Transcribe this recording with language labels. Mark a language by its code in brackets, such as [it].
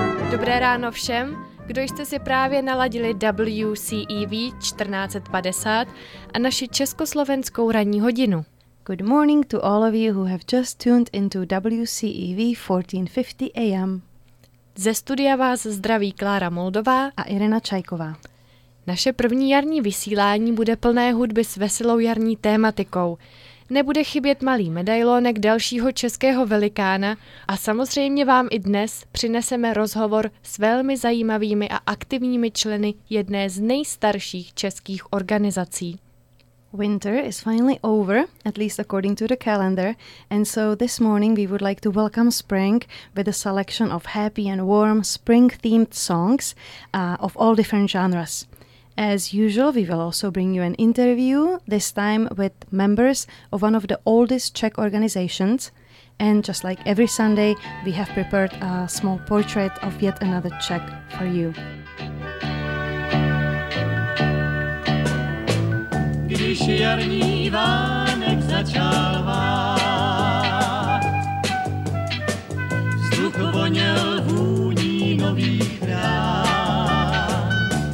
[cs] Dobré ráno všem, kdo jste si právě naladili WCEV 1450 a naši československou ranní hodinu. [en] Good morning to all of you who have just tuned into WCEV 1450 AM. [cs] Ze studia vás zdraví Klára Moldová a Irena Čajková. Naše první jarní vysílání bude plné hudby s veselou jarní tématikou. Nebude chybět malý medailonek dalšího českého velikána a samozřejmě vám i dnes přineseme rozhovor s velmi zajímavými a aktivními členy jedné z nejstarších českých organizací. [en] Winter is finally over, at least according to the calendar, and so this morning we would like to welcome spring with a selection of happy and warm spring-themed songs of all different genres. As usual, we will also bring you an interview, this time with members of one of the oldest Czech organizations, and just like every Sunday, we have prepared a small portrait of yet another Czech for you. [cs] Když jarní vánek začal vát, vzduch voněl vůní nových rád.